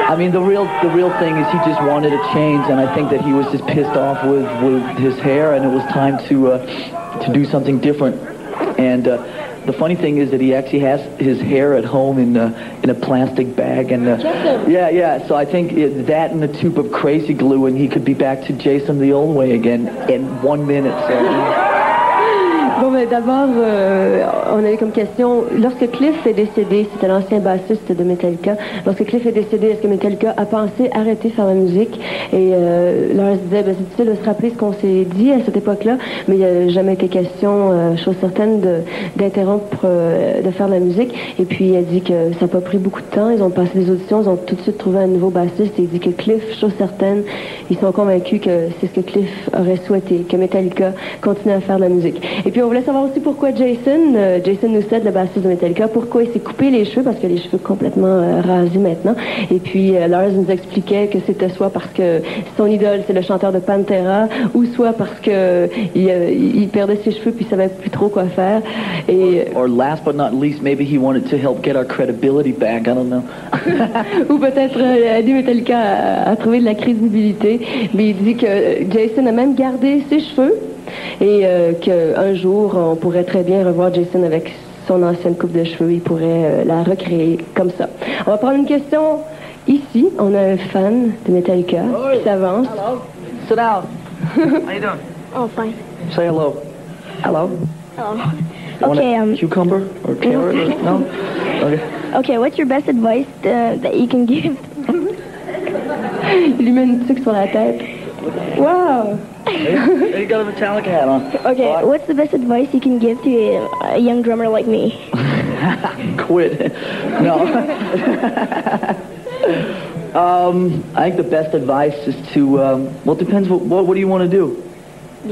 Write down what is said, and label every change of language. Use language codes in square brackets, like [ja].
[en] The real thing is he just wanted a change, and I think that he was just pissed off with his hair, and it was time to do something different. And the funny thing is that he actually has his hair at home in a plastic bag, and so I think that and a tube of crazy glue, and he could be back to Jason the old way again in 1 minute. So. [fr] Bon, mais d'abord, on avait comme question, lorsque Cliff est décédé, c'était l'ancien bassiste de Metallica, lorsque Cliff est décédé, est-ce que Metallica a pensé arrêter faire la musique? Et Lars disait, ben, c'est difficile de se rappeler ce qu'on s'est dit à cette époque-là, mais il n'y a jamais été question, chose certaine, de faire de la musique. Et puis il a dit que ça n'a pas pris beaucoup de temps, ils ont passé des auditions, ils ont tout de suite trouvé un nouveau bassiste, et il dit que Cliff, chose certaine, ils sont convaincus que c'est ce que Cliff aurait souhaité, que Metallica continue à faire de la musique. Et puis on voulait savoir aussi pourquoi Jason Newsted, le bassiste de Metallica, pourquoi il s'est coupé les cheveux, parce qu'il a les cheveux complètement rasés maintenant. Et puis Lars nous expliquait que c'était soit parce que son idole, c'est le chanteur de Pantera, ou soit parce qu'il perdait ses cheveux puis il savait plus trop quoi faire. Et... [en] Or last but not least, maybe he wanted to help get our credibility back, I don't know. [fr] Ou peut-être aider Metallica à trouver de la crédibilité. Mais il dit que Jason a même gardé ses cheveux, et qu'un jour, on pourrait très bien revoir Jason avec son ancienne coupe de cheveux. Il pourrait la recréer comme ça. On va prendre une question ici. On a un fan de Metallica qui s'avance. [en] Hello. Sit down. How are you doing? Oh, fine. Say hello. Hello. Hello. Okay, cucumber or carrot? Or, no? Okay, what's your best advice that you can give? [fr] Il lui met une tuque sur la tête. [en] Wow! You got a Metallica hat on. Okay, right. What's the best advice you can give to a young drummer like me? Quit. No. I think the best advice is to, well, it depends, what do you want to do? Yeah,